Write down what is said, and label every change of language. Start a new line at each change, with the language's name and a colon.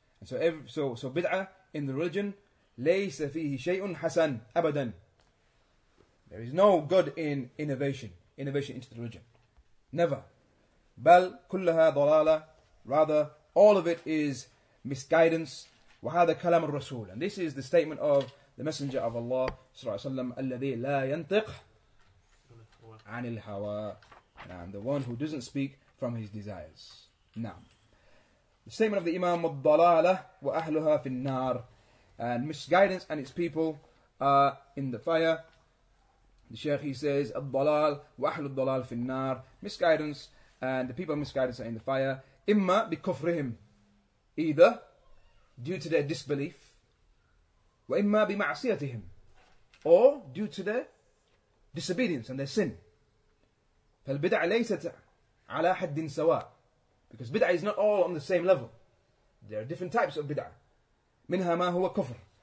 English: And so
Arabic: بدعة
English: in the religion,
Arabic: ليس فيه شيء حسن أبدا.
English: There is no good in innovation into the religion. Never.
Arabic: بل كلها ضلالة.
English: Rather, all of it is misguidance.
Arabic: وهذا كلام الرسول.
English: And this is the statement of the Messenger of Allah,
Arabic: صلى الله عليه وسلم, الذي لا ينطق عن الهوى.
English: And the one who doesn't speak from his desires.
Arabic: نعم.
English: The statement of the Imam,
Arabic: والضلالة وأهلها في النار.
English: And misguidance and its people are in the fire. The Sheikh, he says,
Arabic: الضلال وأحل الضلال في النار.
English: Misguidance and the people of misguidance are in the fire.
Arabic: إما بكفرهم,
English: either due to their disbelief,
Arabic: وإما بمعصيتهم,
English: or due to their disobedience and their sin.
Arabic: فالبدع ليست على حد سواء,
English: because bid'ah is not all on the same level. There are different types of bid'ah.
Arabic: منها ما هو كفر.